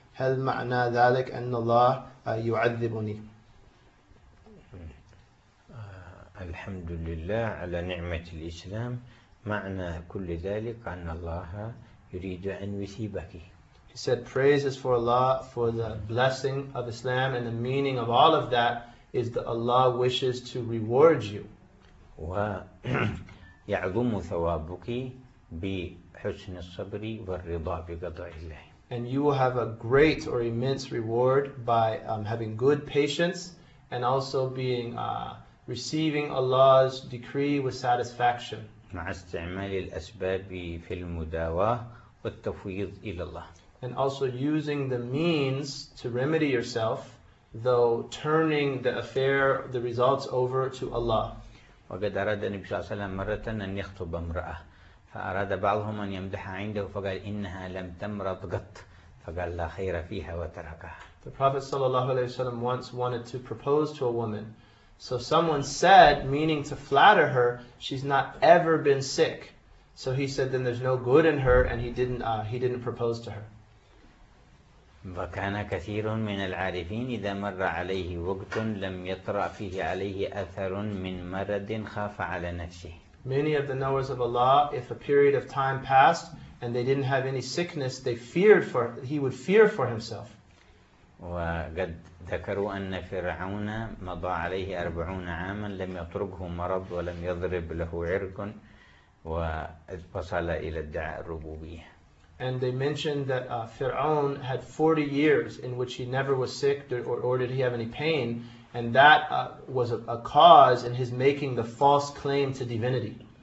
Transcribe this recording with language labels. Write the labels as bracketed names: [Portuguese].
[Arabic] هل معنى ذلك أن الله يعذبني؟ الحمد لله على نعمة الإسلام. معنى كل ذلك أن الله يريد أن يثيبك. [English] He said, praises for Allah for the blessing of Islam and the meaning of all of that is that Allah wishes to reward you. [Arabic] ويعظم ثوابك بحسن الصبر والرضا بقضاء الله. [English] And you will have a great or immense reward by having good patience and also being receiving Allah's decree with satisfaction. [Arabic] مع استعمال الأسباب في المداواة والتفويض إلى الله. [English] And also using the means to remedy yourself, though turning the affair, the results over to Allah. [Arabic] وقد أراد النبي صلى الله عليه وسلم مرة أن يخطب امرأة. فأراد بعضهم أن يمدحها عنده فقال إنها لم تمرض قط فقال لا خير فيها وتركها. [English] The Prophet صلى الله عليه وسلم once wanted to propose to a woman. So someone said, meaning to flatter her, she's not ever been sick. So he said, then there's no good in her, and he didn't propose to her. [Arabic] وكان كثير من العارفين إذا مر عليه وقت لم يطرأ فيه عليه أثر من مرض خاف على نفسه. [English] Many of the knowers of Allah, if a period of time passed and they didn't have any sickness, he would fear for himself. [Arabic] وقد ذكروا أن فرعون مضى عليه 40 عاما لم يطرقه مرض ولم يضرب له عرق وصل إلى الدعاء الربوبية. [English] And they mentioned that Fir'aun had 40 years in which he never was sick or did he have any pain. And that was a cause in his making the false claim to divinity.